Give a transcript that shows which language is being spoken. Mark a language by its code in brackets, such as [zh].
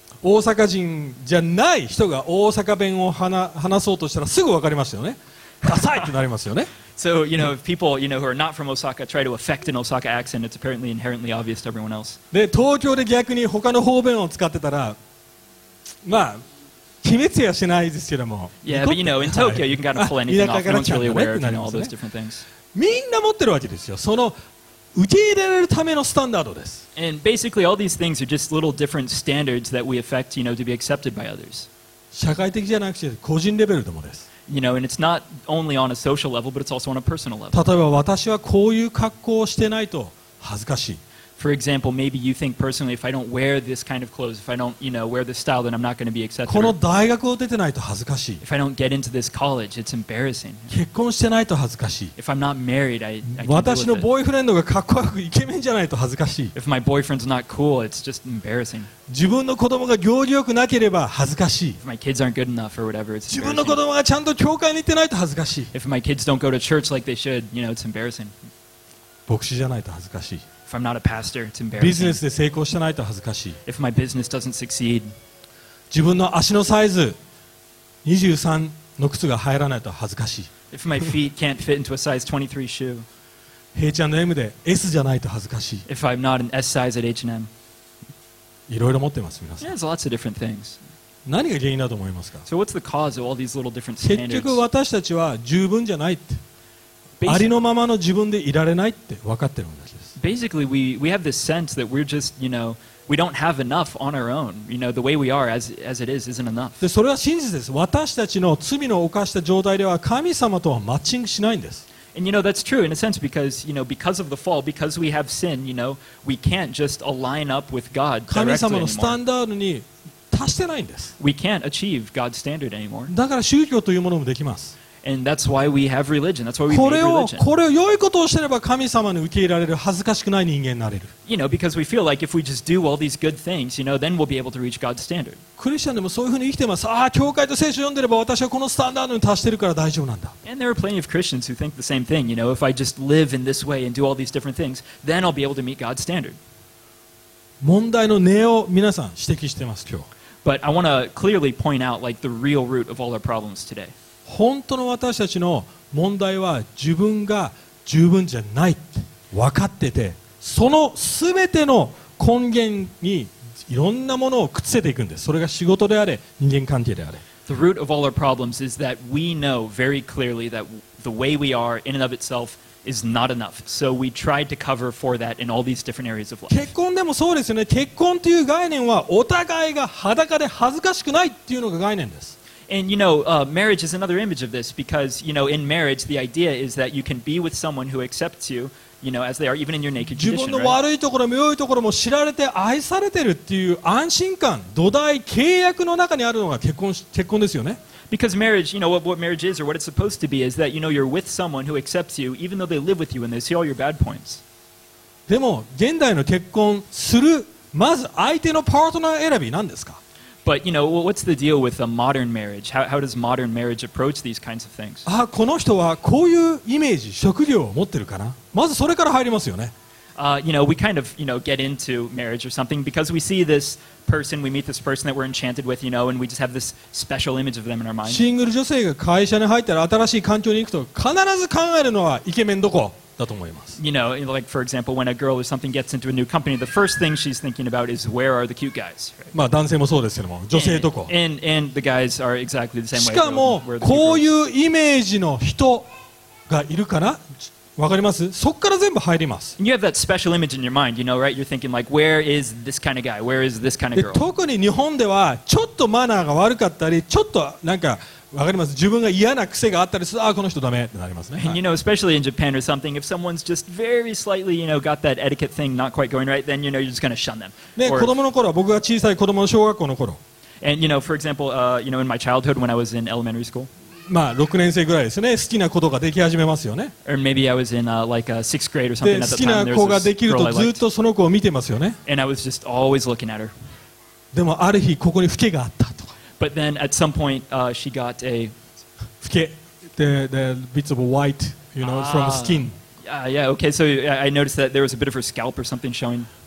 [ja] 大阪人じゃない人が大阪弁を話そうとしたらすぐ分かりますよね。ダサいってなりますよね。 [en] So, you know, if people, you know, who are not from Osaka try to affect an Osaka accent, it's apparently inherently obvious to everyone else. [ja] で、東京で逆に他の方言を使ってたら、まあ、決めつやしないですけども。 [en] Yeah, but you know, in Tokyo, you can kind of pull anything off. No one's really aware of, you know, all those different things. [ja] みんな持ってるわけですよ。その受け入れられるためのスタンダードです。 [en] And basically, all these things are just little different standards that we affect, you know, to be accepted by others. [ja] 社会的じゃなくて個人レベルでもです。 [en] You know, and it's not only on a social level, but it's also on a personal level. [ja] 例えば私はこういう格好をしてないと恥ずかしい。 [en] For example, maybe you think personally, if I don't wear this kind of clothes, if I don't, you know, wear this style, then I'm not going to be accepted. [ja] この大学を出てないと恥ずかしい。 [en] If I don't get into this college, it's embarrassing. [ja] 結婚してないと恥ずかしい。 [en] If I'm not married, I can't deal with it. [ja] 私のボーイフレンドがかっこよくイケメンじゃないと恥ずかしい。 [en] If my boyfriend's not cool, it's just embarrassing. [ja] 自分の子供が行儀よくなければ恥ずかしい。 [en] If my kids aren't good enough or whatever, it's embarrassing. [ja] 自分の子供がちゃんと教会に行ってないと恥ずかしい。 [en] If my kids don't go to church like they should, you know, it's embarrassing. [ja] 牧師じゃないと恥ずかしい。 [en] If I'm not a pastor, it's embarrassing. [ja] ビジネスで成功してないと恥ずかしい。 [en] If my business doesn't succeed, [ja] 自分の足のサイズ23の靴が入らないと恥ずかしい。 [en] If my feet can't fit into a size 23 shoe, [ja] 平ちゃんの M で S じゃないと恥ずかしい。 [en] If I'm not an S size at H&M, [ja] いろいろ持ってます皆さん。 [en] Yeah, there's lots of different things. [ja] 何が原因だと思いますか。 [en] So what's the cause of all these little different standards? [ja] 結局私たちは十分じゃないって。ありのままの自分でいられないって分かってるんです。 [en] Basically, we have this sense that we're just, you know, we don't have enough on our own. You know, the way we are as it is isn't enough. [ja] で、それは真実です。私たちの罪の犯した状態では神様とはマッチングしないんです。 [en] And you know, that's true in a sense because, you know, because of the fall, because we have sin, you know, we can't just align up with God directly [ja] anymore. 神様のスタンダードに達してないんです。 [en] We can't achieve God's standard anymore. [ja] だから宗教というものもできます。 [en] And that's why we have religion. That's why we made religion. [ja] これを良いことをしてれば神様に受け入れられる恥ずかしくない人間になれる。 [en] You know, because we feel like if we just do all these good things, you know, then we'll be able to reach God's standard. [ja] クリスチャンでもそういうふうに生きてます。ああ、教会と聖書を読んでれば私はこのスタンダードに達してるから大丈夫なんだ。 [en] And there are plenty of Christians who think the same thing. You know, if I just live in this way and do all these different things, then I'll be able to meet God's standard. [ja] 問題の根を皆さん指摘してます今日。 [en] But I want to clearly point out like the real root of all our problems today. [ja] 本当の私たちの問題は自分が十分じゃないって分かってて、その全ての根源にいろんなものをくっつけていくんです。それが仕事であれ、人間関係であれ。 [en] The root of all our problems is that we know very clearly that the way we are in and of itself is not enough. So we tried to cover for that in all these different areas of life. [ja] 結婚でもそうですよね。結婚という概念はお互いが裸で恥ずかしくないっていうのが概念です。 [en] And you know, marriage is another image of this because, you know, in marriage, the idea is that you can be with someone who accepts you, you know, as they are, even in your naked condition, [ja] right? 自分の悪いところも良いところも知られて愛されてるっていう安心感、土台、契約の中にあるのが結婚ですよね。 [en] Because marriage, you know, what marriage is or what it's supposed to be is that, you know, you're with someone who accepts you even though they live with you and they see all your bad points. [ja] でも、現代の結婚する、まず相手のパートナー選び、何ですか？ [en] But, you know, what's the deal with a modern marriage? How does modern marriage approach these kinds of things? [ja] あ、この人はこういうイメージ、職業を持ってるかな？まずそれから入りますよね。 [en] You know, we kind of, you know, get into marriage or something because we see this person, we meet this person that we're enchanted with, you know, and we just have this special image of them in our mind. [ja] シングル女性が会社に入ったら新しい環境に行くと必ず考えるのはイケメンどこだと思います。 [en] You know, like for example, when a girl or something gets into a new company, the first thing she's thinking about is where are the cute guys? Right? [ja] まあ男性もそうですけども、女性どこ。 [en] And the guys are exactly the same way. [ja] しかも、こういうイメージの人がいるかな？わかります？そこから全部入ります。 [en] You have that special image in your mind, you know, right? You're thinking like, where is this kind of guy? Where is this kind of girl? [ja] 特に日本ではちょっとマナーが悪かったり、ちょっとなんかわかります？自分が嫌な癖があったりすると、あ、この人ダメってなりますね。 [en] And you know, especially in Japan or something, if someone's just very slightly, you know, got that etiquette thing not quite going right, then you know you're just gonna shun them. [ja] ね、子供の頃、僕が小さい子供の小学校の頃。 [en] And you know, for example, you know, in my childhood when I was in elementary school. [ja] まあ、6年生ぐらいですね。好きなことができ始めますよね。 [en] Or maybe I was in like a sixth grade or something at the time. [ja] 好きな子ができるとずっとその子を見てますよね。 [en] And I was just always looking at her. [ja] でもある日ここにフケがあったとか。 [en] But then at some point, she got a... [ja] フケ。 [en] The bits of white, you know, from skin. Yeah, okay. So I noticed that there was a bit of her scalp or something showing.